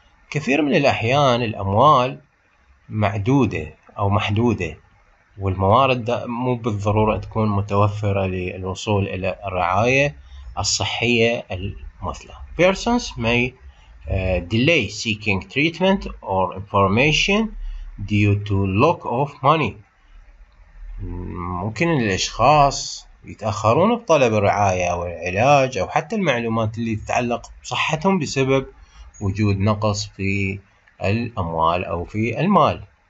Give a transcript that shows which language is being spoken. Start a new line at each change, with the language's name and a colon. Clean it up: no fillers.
Arabic: كثير من الأحيان الأموال معدودة أو محدودة، والموارد مو بالضرورة تكون متوفرة للوصول إلى الرعاية الصحية المثلى.
English: Persons may delay seeking treatment or information due to lack of money.
Arabic: ممكن الأشخاص يتأخرون بطلب الرعاية والعلاج أو حتى المعلومات اللي تتعلق بصحتهم بسبب وجود نقص في الأموال أو في المال.